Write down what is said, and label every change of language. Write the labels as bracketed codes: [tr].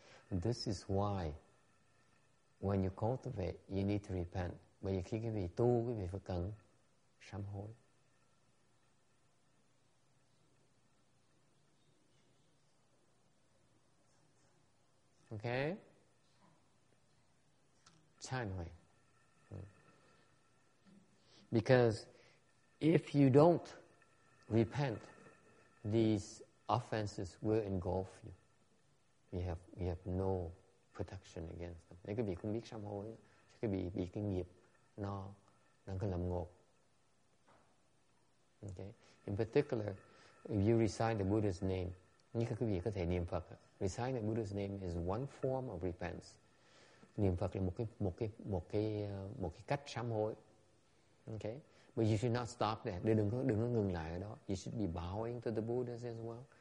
[en] This is why when you cultivate, you need to repent. [vi] Bởi vì khi quý vị tu, quý vị phải cần sám hối. Ok? Chán hồi. [en] Because if you don't repent, these offenses will engulf you. We have no protection against them. [vi] Nếu quý vị không biết sám hối, sẽ quý vị bị cái nghiệp nó cứ lầm ngột. [en] Okay. In particular, if you recite the Buddha's name, [vi] như quý vị có thể niệm Phật. [en] Reciting the Buddha's name is one form of repentance. [vi] Niệm Phật là một cái cách sám hối. [en] Okay. But you should not stop there. [vi] Đừng có ngừng lại ở đó. [en] You should be bowing to the Buddha as well.